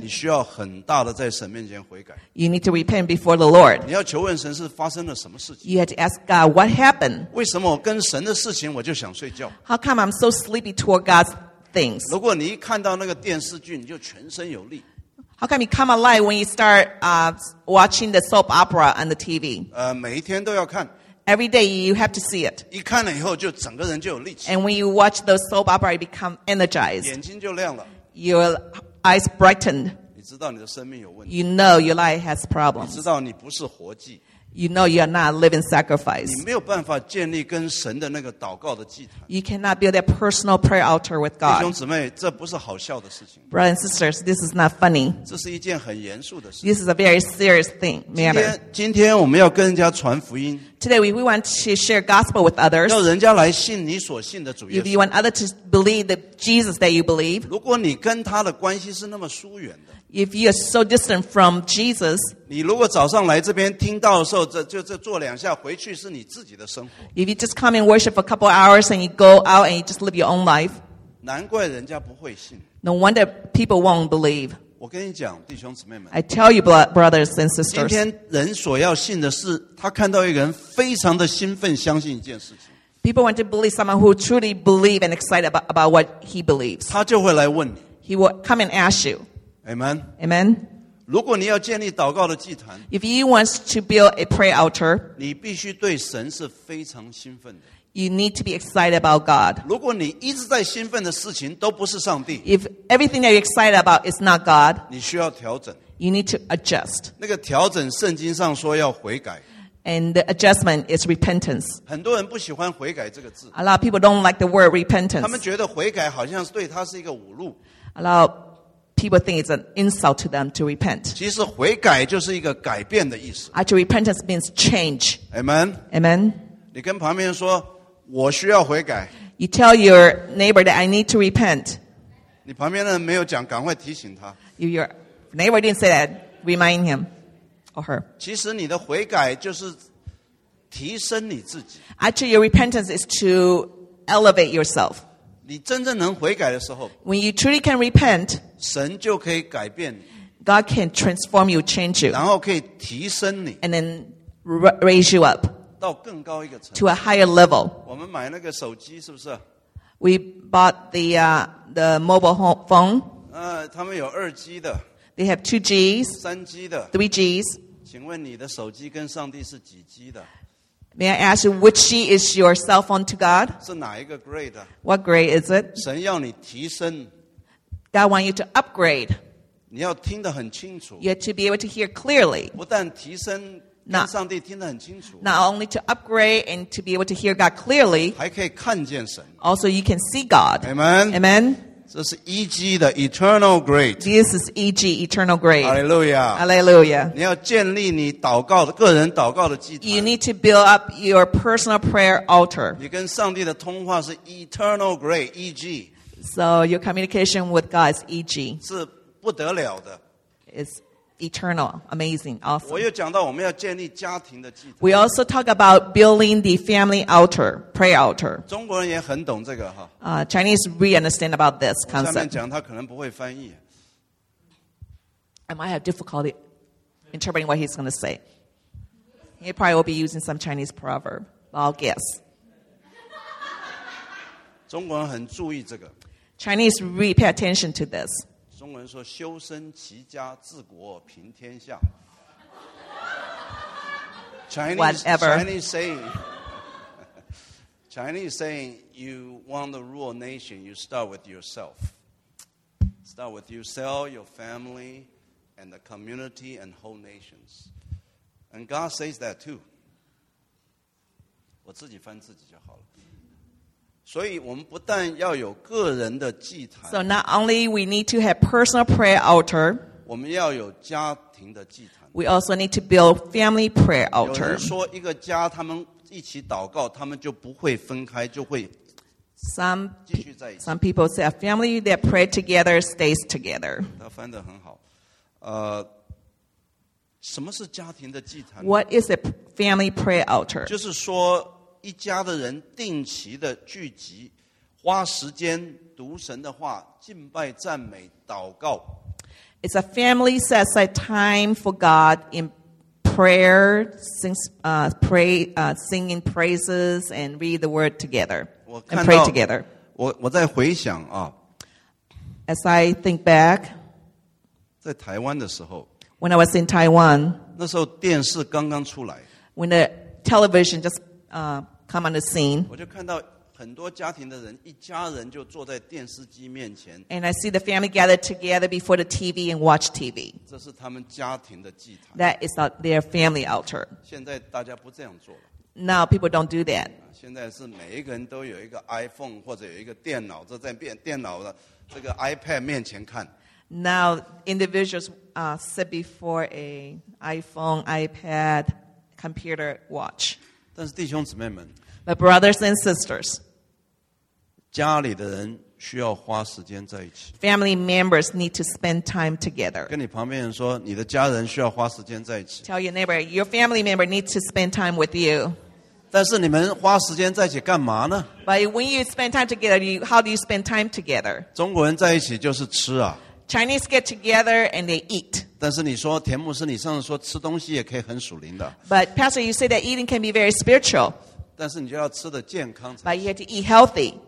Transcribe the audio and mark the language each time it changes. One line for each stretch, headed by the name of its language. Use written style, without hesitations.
Chinese: 你需要很大的在神面前悔改。
English: You need to repent before the Lord.
Chinese: 你要求问神是发生了什么事情。
English: You had to ask God what happened.
Chinese: 为什么我跟神的事情我就想睡觉？
English: How come I'm so sleepy toward God's things?
Chinese: 如果你一看到那个电视剧，你就全身有力。
English: How come you come alive when you start watching the soap opera on the TV?
Chinese: 每一天都要看。
English: Every day you have to see it.
Chinese: 一看了以后就整个人就有力气。
English: And when you watch the soap opera, you become energized.
Chinese: 眼睛就亮了。
English: Your eyes brightened.
Chinese: 你知道你的生命有问题。
English: You know your life has problems.
Chinese: 你知道你不是活祭。
English: You know you are not a living sacrifice.
Chinese: 你没有办法建立跟神的那个祷告的祭坛。
English: You cannot build a personal prayer altar with God.
Chinese: 弟兄姊妹，这不是好笑的事情。
English: Brothers and sisters, this is not funny.
Chinese: 这是一件很严肃的事。
English: This is a very serious thing, matter.
Chinese: 今天我们要跟人家传福音。
English: Today we want to share gospel with others.
Chinese: 要人家来信你所信的主耶稣。
English: If you want others to believe the Jesus that you believe.
Chinese: 如果你跟他的关系是那么疏远的。
English: If you are so distant from Jesus,
Chinese: 你如果早上来这边听到的时候，这做两下回去是你自己的生活。
English: If you just come and worship a couple of hours and you go out and you just live your own life,
Chinese: 难怪人家不会信。
English: No wonder people won't believe.
Chinese: 我跟你讲，弟兄姊妹们。
English: I tell you, brothers and sisters.
Chinese: 今天人所要信的是他看到一个人非常的兴奋，相信一件事情。
English: People want to believe someone who truly believe and excited about what he believes.
Chinese: 他就会来问你。
English: He will come and ask you. Amen. Amen.
Chinese: 如果你要建立祷告的祭坛，
English: If you want to build a prayer altar,
Chinese: 你必须对神是非常兴奋的。
English: You need to be excited about God.
Chinese: 如果你一直在兴奋的事情都不是上帝，
English: If everything that you're excited about is not God,
Chinese: 你需要调整。
English: You need to adjust.
Chinese: 那个调整圣经上说要悔改。
English: And the adjustment is repentance.
Chinese: 很多人不喜欢悔改这个字。
English: A lot of people don't like the word repentance.
Chinese: 他们觉得悔改好像对他是一个侮辱。
English: A lot of people think it's an insult to them to repent.
Chinese: 其实悔改就是一个改变的意思。
English: Actually, repentance means change. Amen. Amen.
Chinese: 你跟旁边人说，我需要悔改。
English: You tell your neighbor that I need to repent.
Chinese: 你旁边的人没有讲，赶快提醒他。
English: If your neighbor didn't say that, remind him or her.
Chinese: 其实你的悔改就是提升你自己。
English: Actually, your repentance is to elevate yourself.
Chinese: 你真正能悔改的时候，
English: When you truly can repent,
Chinese: 神就可以改变你。
English: God can transform you, change you.
Chinese: 然后可以提升你。
English: And then raise you up.
Chinese: 到更高一个层次。
English: To a higher level.
Chinese: 我们买那个手机是不是？
English: We bought the mobile phone.
Chinese: 他们有二G的。
English: They have two G's.
Chinese: 三G的,
English: three G's.
Chinese: 请问你的手机跟上帝是几G的?
English: May I ask you, which G is your cell phone to God?
Chinese: 是哪一个grade?
English: What grade is it?
Chinese: 神要你提升,
English: God wants you to upgrade.
Chinese: 你要听得很清楚,
English: you have to be able to hear clearly.
Chinese: 不但提升,
English: Not only to upgrade and to be able to hear God clearly,
Chinese: 还可以看见神,
English: also you can see God. Amen. Amen.
Chinese: 这是EG 的,
English: eternal grade. This is EG, eternal grade. Hallelujah. Hallelujah.
Chinese: 你要建立你祷告的, 个人祷告的祭坛,
English: you need to build up your personal prayer altar.
Chinese: 你跟上帝的通话是
English: eternal grade,
Chinese: EG.
English: So your communication with God is EG.
Chinese: 是不得了的,
English: it's eternal, amazing, awesome.
Chinese: 我又讲到我们要建立家庭的祭坛。
English: We also talk about building the family altar, prayer altar.
Chinese: 中国人也很懂这个,
English: Chinese really understand about this concept.
Chinese: 我下面讲他可能不会翻译。
English: I might have difficulty interpreting what he's going to say. He probably will be using some Chinese proverb, but I'll guess.
Chinese: 中国人很注意这个。
English: Chinese really pay attention to this.
Chinese: 中文说修身齐家治国平天下
English: Chinese, Whatever. Chinese saying you want to rule a nation, you start with yourself. Start with yourself, your family, and the community and whole nations. And God says that too.
Chinese: 我自己翻自己就好了。所以我们不但要有个人的祭坛,
English: so not only we need to have personal prayer altar,
Chinese: 我们要有家庭的祭坛,
English: we also need to build family prayer altar.
Chinese: 有人说一个家, 他们一起祷告, 他们就不会分开,
English: some people say a family that pray together stays together.
Chinese: 他翻得很好, 什么是家庭的祭坛?
English: What is a family prayer altar?
Chinese: 就是说, 一家的人定期的聚集, 花时间读神的话, 敬拜, 赞美, 祷告。
English: It's a family set aside time for God in prayer, singing praises and read the word together.
Chinese: 我看到,
English: and pray together.
Chinese: 我在回想啊,
English: As I think back,
Chinese: 在台湾的时候,
English: when I was in Taiwan,
Chinese: 那时候电视刚刚出来,
English: when the television just come on the scene.
Chinese: 我就看到很多家庭的人一家人就坐在电视机面前,
English: and I see the family gathered together before the TV and watch TV.
Chinese: 这是他们家庭的祭坛,
English: that is their family altar.
Chinese: 现在大家不这样做了,
English: now people don't do that.
Chinese: 现在是每一个人都有一个 iPhone 或者有一个电脑, 这在电脑的, 这个 iPad 面前看,
English: now individuals sit before a iPhone, iPad, computer, watch.
Chinese: 但是弟兄姊妹们,
English: but brothers and sisters,
Chinese: 家里的人需要花时间在一起,
English: family members need to spend time together.
Chinese: 跟你旁边人说, 你的家人需要花时间在一起,
English: tell your neighbor, your family member needs to spend time with you.
Chinese: 但是你们花时间在一起干嘛呢?
English: But when you spend time together, how do you spend time together?
Chinese: 中国人在一起就是吃啊,
English: Chinese get together and they eat.
Chinese: 但是你说, 田牧师, 你上次说, 吃东西也可以很属灵的,
English: but Pastor, you say that eating can be very spiritual.
Chinese: 但是你就要吃得健康,
English: but you have to eat healthy.